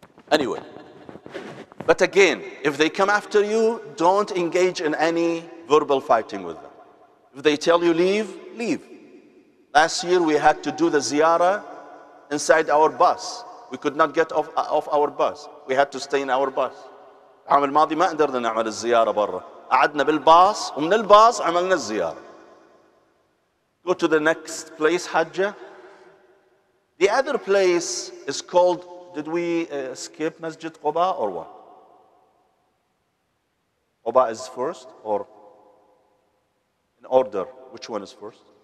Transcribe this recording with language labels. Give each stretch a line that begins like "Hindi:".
English: Anyway, but again, if they come after you, don't engage in any verbal fighting with them. If they tell you leave, leave. Last year we had to do the ziyara inside our bus. We could not get off our bus. We had to stay in our bus.
Arabic: العام الماضي ما قدرنا نعمل الزيارة برا. قعدنا بالباص ومن الباص عملنا الزيارة.
English: go to the next place, Hajjah. The other place is called, did we skip Masjid Quba or what? Quba is first or in order, which one is first?